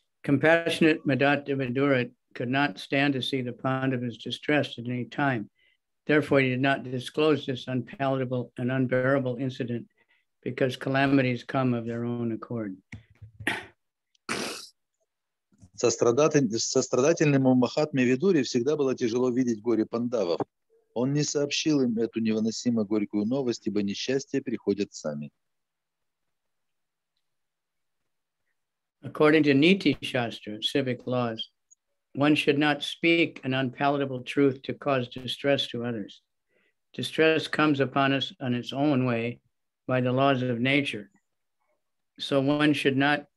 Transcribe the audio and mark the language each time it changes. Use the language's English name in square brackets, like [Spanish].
[English] Compassionate Madhatta Vidura could not stand to see the Pandavas distressed at any time. Therefore, he did not disclose this unpalatable and unbearable incident because calamities come of their own accord. [Russian] Сострадательному Махатме Видуре всегда было тяжело видеть горе Пандавов. Он не сообщил им эту невыносимо горькую новость, ибо несчастья приходят сами. [English] According to Niti Shastra, civic laws, one should not speak an unpalatable truth to cause distress to others. Distress comes upon us on its own way by the laws of nature. So one should not